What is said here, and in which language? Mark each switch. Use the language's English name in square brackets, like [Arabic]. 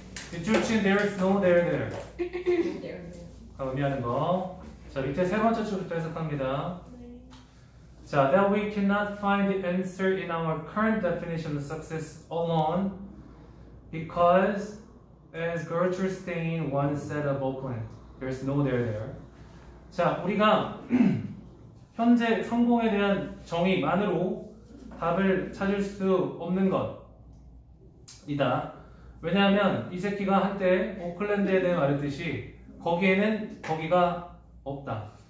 [Korean] 뒷줄친 [English] there is no there there. [Korean] 아, 의미하는 거. 자, 밑에 세 번째 줄부터 해석합니다. 자, [English] that we cannot find the answer in our current definition of success alone because, as Gertrude Stein once said of Oakland, there's no there there. [Korean] 자, 우리가 현재 성공에 대한 정의만으로 답을 찾을 수 없는 것이다. 왜냐하면 이 새끼가 한때 오클랜드에 대해 말했듯이 거기에는 거기가 없다.